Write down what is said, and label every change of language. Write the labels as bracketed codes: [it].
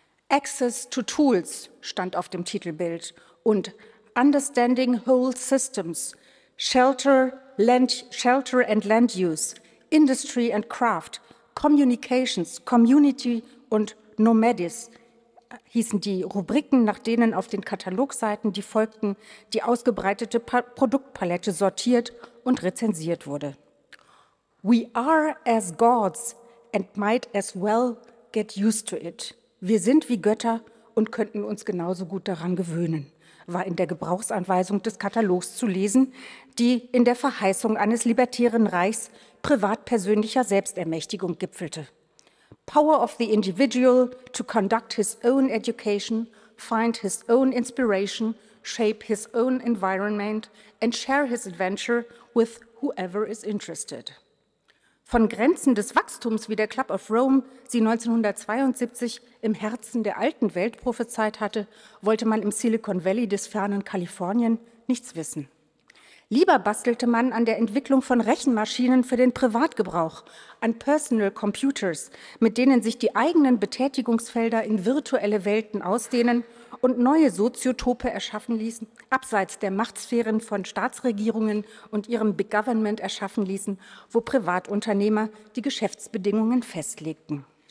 [de] Access to Tools stand auf dem Titelbild und Understanding Whole Systems, Shelter and Land Use, Industry and Craft, Communications, Community und Nomadis hießen die Rubriken, nach denen auf den Katalogseiten, die folgten, die ausgebreitete Produktpalette sortiert und rezensiert wurde. [en] We are as gods and might as well get used to it. [de] Wir sind wie Götter und könnten uns genauso gut daran gewöhnen, war in der Gebrauchsanweisung des Katalogs zu lesen, die in der Verheißung eines libertären Reichs privatpersönlicher Selbstermächtigung gipfelte. [en] Power of the individual to conduct his own education, find his own inspiration, shape his own environment and share his adventure with whoever is interested. [de] Von Grenzen des Wachstums, wie der Club of Rome sie 1972 im Herzen der alten Welt prophezeit hatte, wollte man im Silicon Valley des fernen Kalifornien nichts wissen. Lieber bastelte man an der Entwicklung von Rechenmaschinen für den Privatgebrauch, an Personal Computers, mit denen sich die eigenen Betätigungsfelder in virtuelle Welten ausdehnen und neue Soziotope erschaffen ließen, abseits der Machtsphären von Staatsregierungen und ihrem Big Government erschaffen ließen, wo Privatunternehmer die Geschäftsbedingungen festlegten.